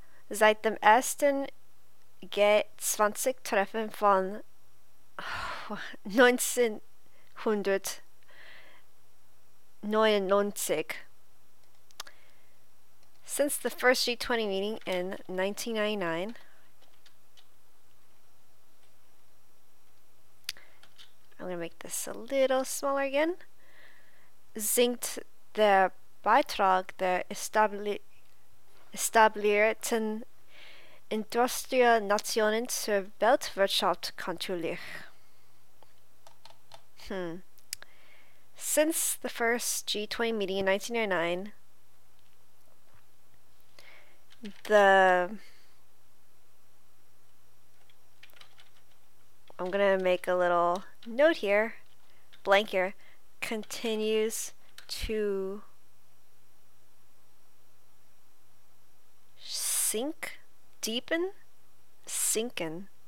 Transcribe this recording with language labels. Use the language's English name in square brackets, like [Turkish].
[German] Seit dem ersten G20 Treffen von 1999. [English] Since the first G20 meeting in 1999. I'm gonna make this a little smaller again. [German] Sinkt der Beitrag der etablierten Industrienationen zur Weltwirtschaft kontinuierlich. [English] Since the first G20 meeting in 1999, I'm gonna make a little note here, blank here, continues to sink, deepen, sinken.